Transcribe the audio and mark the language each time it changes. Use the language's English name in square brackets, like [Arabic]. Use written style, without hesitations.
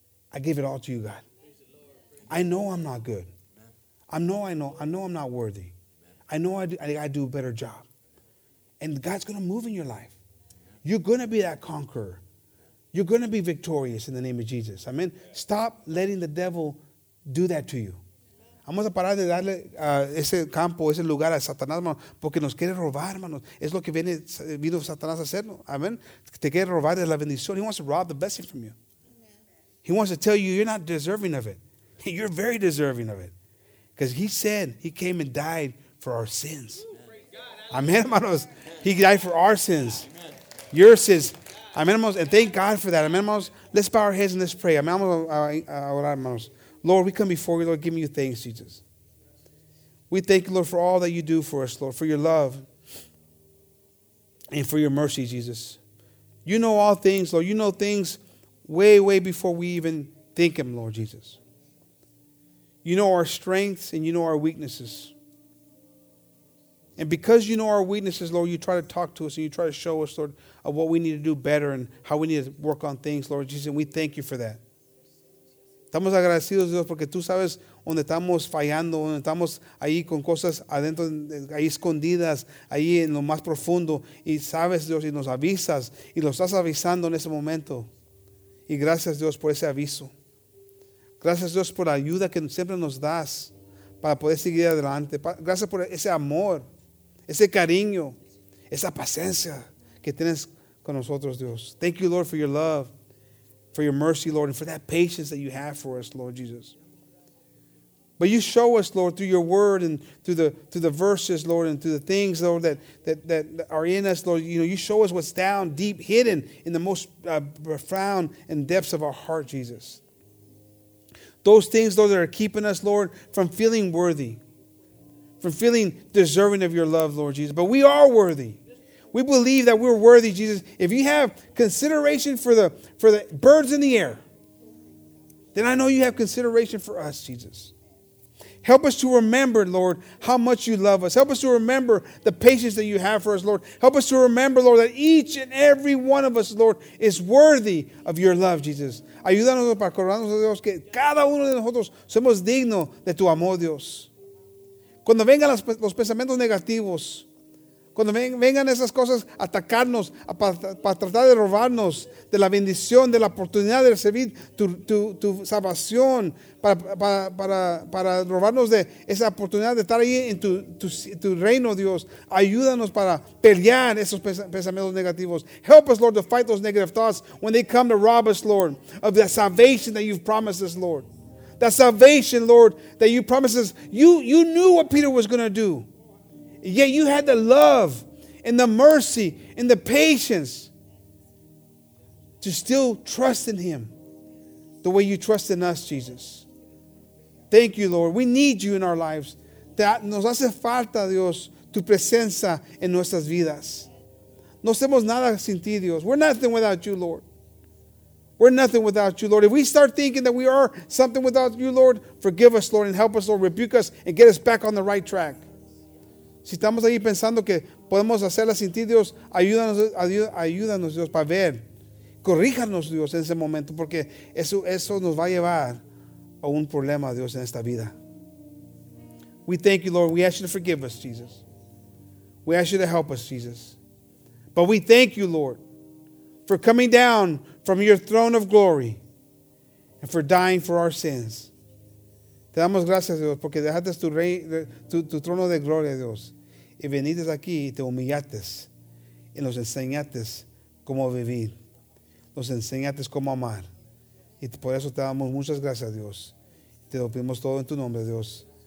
[English] I give it all to you, God. I know I'm not good. I know I'm not worthy. I know I do a better job. And God's going to move in your life. You're going to be that conqueror. You're going to be victorious in the name of Jesus. Amen. Stop letting the devil do that to you. [Spanish] Vamos a parar de darle ese campo, ese lugar a Satanás, hermano, porque nos quiere robar, hermanos. Es lo que vino Satanás a hacer. Amen. Te quiere robar de la bendición. [English] He wants to rob the blessing from you. He wants to tell you you're not deserving of it. You're very deserving of it. Because he said he came and died for our sins. Amen, hermanos. He died for our sins. Your sins. Amen, hermanos, and thank God for that. Amen, hermanos. Let's bow our heads and let's pray. Amen, hermanos. Lord, we come before you, Lord, giving you thanks, Jesus. We thank you, Lord, for all that you do for us, Lord, for your love and for your mercy, Jesus. You know all things, Lord. You know things way, way before we even think them, Lord Jesus. You know our strengths and you know our weaknesses. And because you know our weaknesses, Lord, you try to talk to us and you try to show us, Lord, of what we need to do better and how we need to work on things, Lord Jesus, and we thank you for that. [Spanish] Estamos agradecidos, Dios, porque tú sabes donde estamos fallando, donde estamos ahí con cosas adentro, ahí escondidas, ahí en lo más profundo. Y sabes, Dios, y nos avisas, y lo estás avisando en ese momento. Y gracias, Dios, por ese aviso. Gracias, Dios, por la ayuda que siempre nos das para poder seguir adelante. Gracias por ese amor, ese cariño, esa paciencia que tienes con nosotros, Dios. [English] Thank you, Lord, for your love, for your mercy, Lord, and for that patience that you have for us, Lord Jesus. But you show us, Lord, through your word and through the verses, Lord, and through the things, Lord, that are in us, Lord. You know, you show us what's down, deep, hidden in the most profound and depths of our heart, Jesus. Those things, Lord, that are keeping us, Lord, from feeling worthy, from feeling deserving of your love, Lord Jesus. But we are worthy. We believe that we're worthy, Jesus. If you have consideration for the birds in the air, then I know you have consideration for us, Jesus. Help us to remember, Lord, how much you love us. Help us to remember the patience that you have for us, Lord. Help us to remember, Lord, that each and every one of us, Lord, is worthy of your love, Jesus. [Spanish] Ayúdanos para acordarnos, Dios, que cada uno de nosotros somos dignos de tu amor, Dios. Cuando vengan los pensamientos negativos, cuando vengan esas cosas a atacarnos, para tratar de robarnos de la bendición, de la oportunidad de recibir tu salvación, para robarnos de esa oportunidad de estar ahí en tu reino, Dios. Ayúdanos para pelear esos pensamientos negativos. [English] Help us, Lord, to fight those negative thoughts when they come to rob us, Lord, of the salvation that you've promised us, Lord. That salvation, Lord, that you promised us. You knew what Peter was going to do. Yet you had the love and the mercy and the patience to still trust in him the way you trust in us, Jesus. Thank you, Lord. We need you in our lives. [Spanish] Nos hace falta, Dios, tu presencia en nuestras vidas. No somos nada sin ti, Dios. [English] We're nothing without you, Lord. We're nothing without you, Lord. If we start thinking that we are something without you, Lord, forgive us, Lord, and help us, Lord, rebuke us and get us back on the right track. [Spanish] Si estamos ahí pensando que podemos hacerla sin ti, Dios, ayúdanos, Dios, para ver. Corríjanos, Dios, en ese momento, porque eso nos va a llevar a un problema, Dios, en esta vida. [English] We thank you, Lord. We ask you to forgive us, Jesus. We ask you to help us, Jesus. But we thank you, Lord, for coming down from your throne of glory and for dying for our sins. [Spanish] Te damos gracias, Dios, porque dejaste tu trono de gloria, Dios, y veniste aquí y te humillaste y nos enseñaste cómo vivir, nos enseñaste cómo amar. Y por eso te damos muchas gracias, Dios. Te lo pedimos todo en tu nombre, Dios.